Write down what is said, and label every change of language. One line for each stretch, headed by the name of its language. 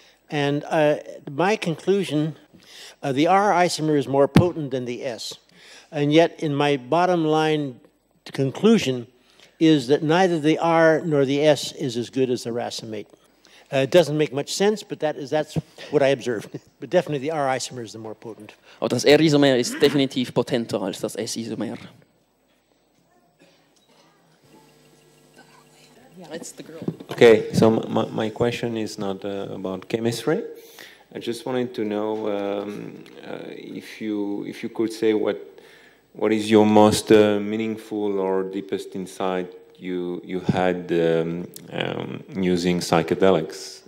English: And my conclusion, the R isomer is more potent than the S. And yet, in my bottom line conclusion, is that neither the R nor the S is as good as the racemate. It doesn't make much sense, but that's what I observed. But definitely the R isomer is the more potent.
German: Oh, das R-Isomer ist definitiv potenter als das S-Isomer.
English: It's the girl. Okay, so my question is not about chemistry. I just wanted to know if you could say what is your most meaningful or deepest insight you had using psychedelics?